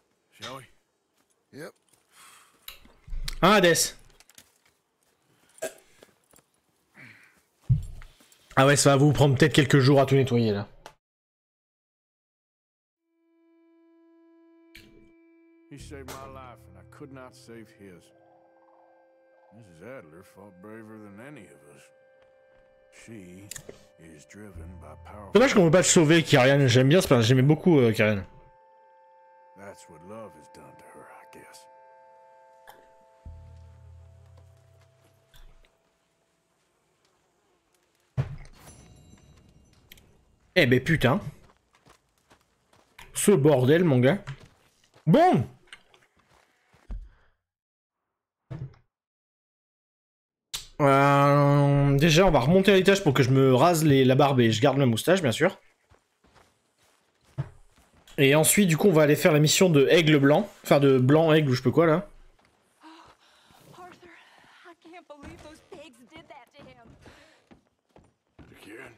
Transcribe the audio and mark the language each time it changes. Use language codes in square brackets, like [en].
[en] Shall we? Yep. [fr] Hein, Hades? Ah ouais, ça va vous prendre peut-être quelques jours à tout nettoyer, là. [en] He saved my life and I could not save his. Mrs. Adler fought braver than any of us. She is driven by power. [fr] Dommage qu'on peut pas te sauver, Kyrian. J'aime bien ce personnage. J'aimais beaucoup Kyrian. [en] That's what love has done to her, I guess. [fr] Eh ben putain. Ce bordel, mon gars. Bon. Déjà, on va remonter à l'étage pour que je me rase la barbe et je garde ma moustache, bien sûr. Et ensuite, du coup, on va aller faire la mission de aigle blanc. Enfin, de blanc aigle ou je peux quoi, là. [en] Oh, Arthur, I can't believe those pigs did that to him.